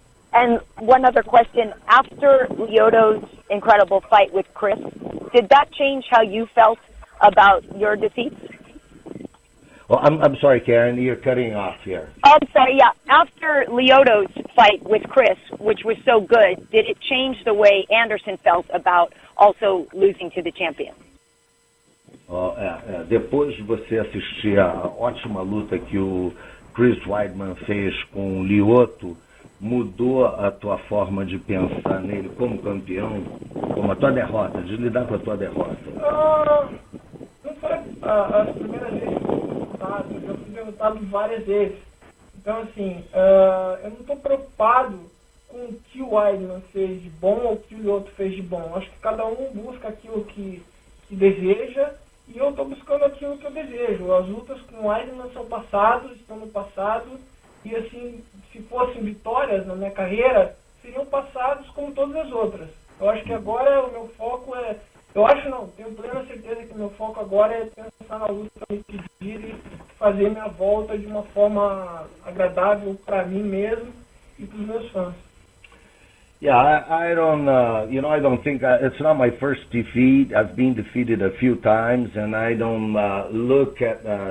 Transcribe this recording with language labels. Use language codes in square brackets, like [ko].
[en] And one other question, after Lyoto's incredible fight with Chris, did that change how you felt about your defeat? Well, I'm sorry, Karen, you're cutting off here. I'm sorry, yeah. After Lyoto's fight with Chris, which was so good, did it change the way Anderson felt about also losing to the champion? [pt] Depois de você assistir a ótima luta que o Chris Weidman fez com o Lyoto, mudou a tua forma de pensar nele como campeão, como a tua derrota, de lidar com a tua derrota? Não foi as primeiras vezes que eu fui derrotado, eu fui derrotado várias vezes. Então, assim, eu não estou preocupado com o que o Weidman fez de bom ou o que o outro fez de bom. Acho que cada um busca aquilo que deseja e eu estou buscando aquilo que eu desejo. As lutas com o Weidman são passadas, estão no passado e, assim, se fossem vitórias na minha carreira, seriam passados como todas as outras. Eu acho que agora o meu foco é... Eu acho não, tenho plena certeza que o meu foco agora é pensar na luta que eu pedi e fazer minha volta de uma forma agradável para mim mesmo e para os meus fãs. [en] Yeah, I don't think it's not my first defeat. I've been defeated a few times and I don't look at...